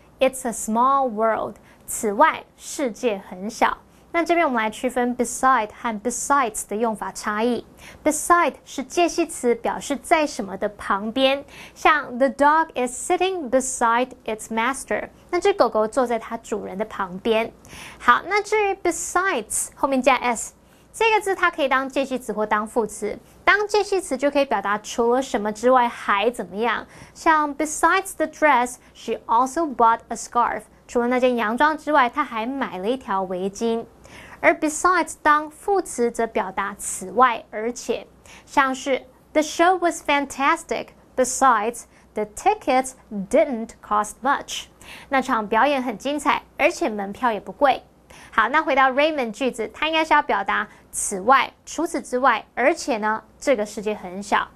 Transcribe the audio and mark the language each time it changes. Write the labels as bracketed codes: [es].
[en] It's a small world. [zh] 此外，世界很小。那这边我们来区分 beside 和 besides 的用法差异。 Beside 是介系词，表示在什么的旁边。像 [en] The dog is sitting beside its master. [zh] 那只狗狗坐在它主人的旁边。好，那至于 besides 后面加 s， 这个字它可以当介系词或当副词。当介系词就可以表达除了什么之外还怎么样。像 [en] besides the dress, she also bought a scarf. [zh] 除了那件洋装之外，他还买了一条围巾。而 besides 当副词则表达此外、而且，像是 [en] The show was fantastic. Besides, the tickets didn't cost much. [zh] 那场表演很精彩，而且门票也不贵。好，那回到 Raymond 句子，他应该是要表达此外、除此之外，而且呢，这个世界很小。